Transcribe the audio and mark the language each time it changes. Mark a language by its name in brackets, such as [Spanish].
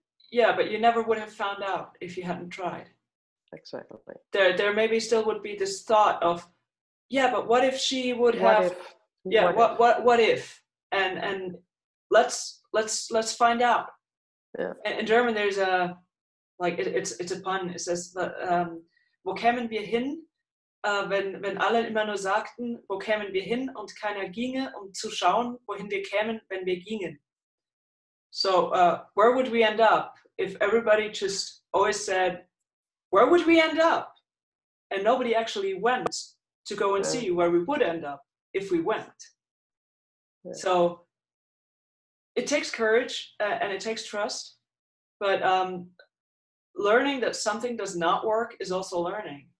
[English] Yeah, but you never would have found out if you hadn't tried. Exactly. There maybe still would be this thought of, yeah, but what if she would what have if? Yeah, what if? And let's find out. Yeah. In German, there's a, like, it's a pun. It says, [German] wo kämen wir hin, wenn alle immer nur sagten, wo kämen wir hin, und keiner ginge, um zu schauen, wohin wir kämen, wenn wir gingen. [English] So, where would we end up if everybody just always said, where would we end up? And nobody actually went to go and see where we would end up if we went. Yeah. So, it takes courage and it takes trust, but learning that something does not work is also learning.